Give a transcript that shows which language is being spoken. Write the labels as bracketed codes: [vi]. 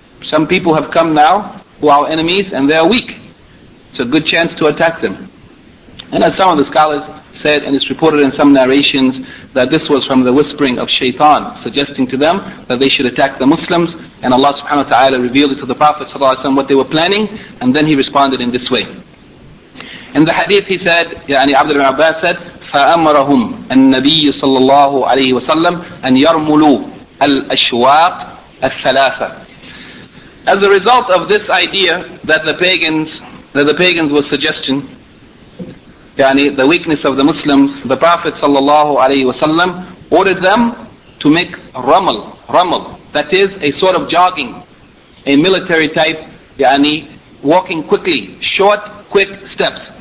[en] Some people have come now who are our enemies, and they are weak. It's a good chance to attack them. And as some of the scholars said, and it's reported in some narrations, that this was from the whispering of Shaitan, suggesting to them that they should attack the Muslims, and Allah subhanahu wa ta'ala revealed it to the Prophet sallallahu alayhi wa sallam what they were planning, and then he responded in this way. In the hadith he said, [ar] يعني عبد [en] ibn Abbas said, [ar] فَأَمَرَهُمْ النَّبِيُّ صَلَّى اللَّهُ عَلَيْهِ وَسَلَّمْ أَنْ يَرْمُلُوا الْأَشْوَاقَ الثَّلَاثَ. [en] As a result of this idea that the pagans were suggesting, the weakness of the Muslims, the Prophet sallallahu alayhi wasallam ordered them to make ramal, that is a sort of jogging, a military type, walking quickly, short, quick steps.